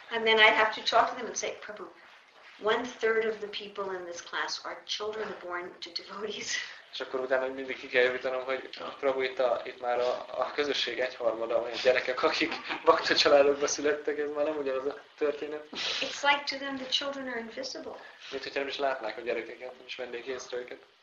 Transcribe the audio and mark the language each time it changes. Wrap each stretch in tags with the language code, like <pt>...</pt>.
<en>And then I'd have to talk to them and say, Prabhu, 1/3 of the people in this class are children born to devotees.</en> <hu>És akkor utána mindig ki kell javítanom, hogy Prabhu, itt már a közösség egyharmada olyan gyerekek, akik bakta családokba születtek, ez már nem ugyanaz a történet.</hu> <en>It's like to them the children are invisible.</en> <hu>Mint hogyha nem is látnák a gyerekeket, nem is vennék észre őket.</hu>